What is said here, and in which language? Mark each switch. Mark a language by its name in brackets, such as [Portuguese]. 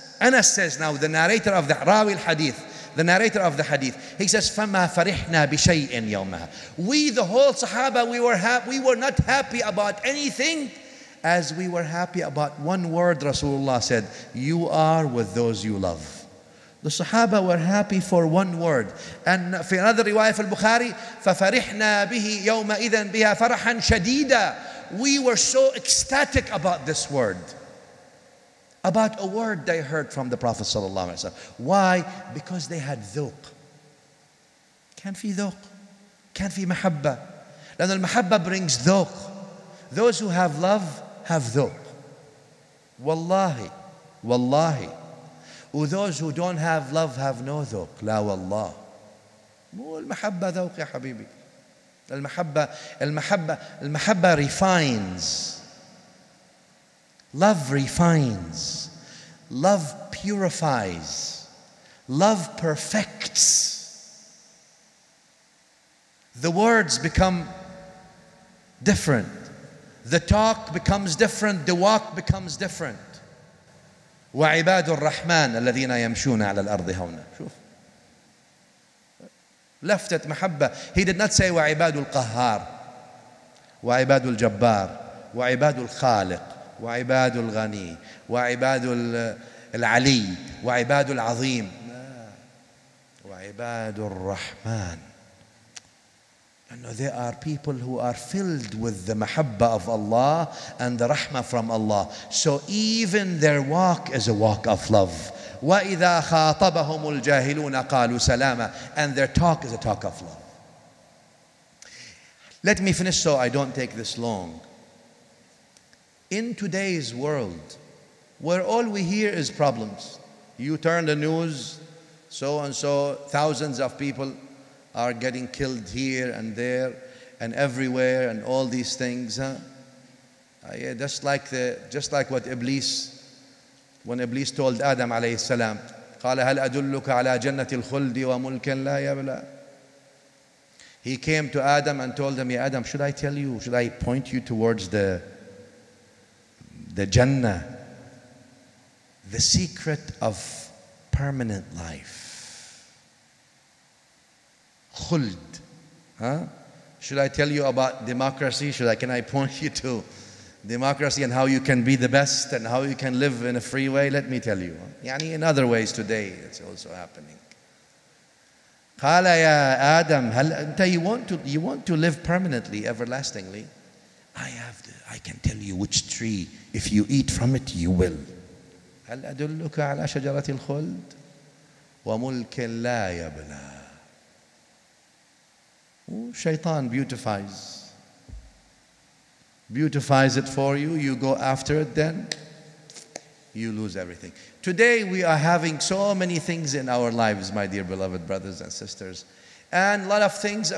[English] Anas says now, the narrator of the Rawi al-Hadith, the narrator of the hadith, he says, [Arabic] "Fama farihna bi shay'in yawmaha." [English] We, the whole Sahaba, we were not happy about anything, as we were happy about one word Rasulullah said, "You are with those you love." The Sahaba were happy for one word. And [Arabic] في [English] another riwayah [Arabic] في البخاري ففرحنا به يومئذ بها فرحا شديدا. [English] We were so ecstatic about this word. About a word they heard from the Prophet sallallahu alaihi wasallam. Why? Because they had ذوق. [Arabic] كان في ذوق. كان في محبة. لأن المحبة [English] brings [Arabic] ذوق. [English] Those who have love have ذوق. [Arabic] والله والله. [English] Those who don't have love have no ذوق. [Arabic] لا والله. مو المحبة ذوق يا حبيبي. المحبة المحبة المحبة [English] refines. Love refines. Love purifies. Love perfects. The words become different. The talk becomes different. The walk becomes different. [Arabic] وعباد الرحمن الذين يمشون على الأرض هونا. شوف. [English] Left at محبة. He did not say [Arabic] وعباد القهار. وعباد الجبار. وعباد الخالق. وعباد الغني. وعباد العلي. وعباد العظيم. وعباد الرحمن. [English] And they are people who are filled with the mahabba of Allah and the rahmah from Allah. So even their walk is a walk of love. [Arabic] وَإِذَا خَاطَبَهُمُ الْجَاهِلُونَ قَالُوا سَلَامًا. [English] And their talk is a talk of love. Let me finish so I don't take this long. In today's world, where all we hear is problems, you turn the news, so and so, thousands of people are getting killed here and there and everywhere and all these things. Just like what Iblis, when Iblis told Adam [Arabic] عليه السلام, قال هل أدلك على جنة الخلد وملك لا يبلى. [English] He came to Adam and told him, yeah, Adam, should I tell you, should I point you towards the Jannah, the secret of permanent life? Khuld, huh? Should I tell you about democracy? Can I point you to democracy and how you can be the best and how you can live in a free way? Let me tell you. [Arabic] يعني [English] in other ways today, it's also happening. [Arabic] قال يا آدم هل أنت [English] you want to live permanently, everlastingly? I can tell you which tree, if you eat from it, you will. [Arabic] هل أدلك على شجرة الخلد وملك لا يبلى. [English] Shaitan beautifies it for you. You go after it, then you lose everything. Today we are having so many things in our lives, my dear beloved brothers and sisters, and a lot of things.